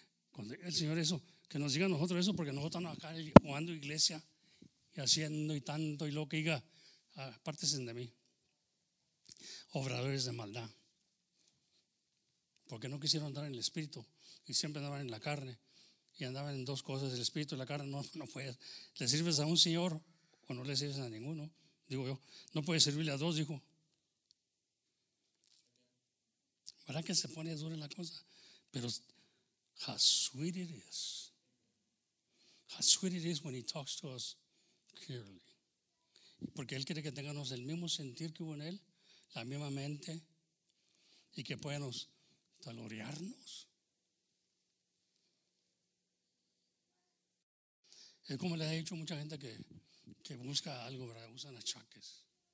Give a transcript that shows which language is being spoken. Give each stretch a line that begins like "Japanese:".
Spanish: Cuando el Señor eso, que nos diga a nosotros eso, porque nosotros estamos acá jugando iglesia y haciendo y tanto, y lo que diga: apártese de mí, obradores de maldad, porque no quisieron andar en el espíritu y siempre andaban en la carne, y andaban en dos cosas, el espíritu y la carne. No puedes, le sirves a un señor o no le sirves a ninguno. Digo yo, no puedes servirle a dos, dijo. ¿Verdad que se pone dura la cosa?
English: Pero how sweet it is, how sweet it is when he talks to us clearly.
Spanish: Porque él quiere que tengamos el mismo sentir que hubo en él, la misma mente, y que podamos gloriarnos. Es como le he dicho a mucha gente que busca algo, ¿verdad? Usan achaques.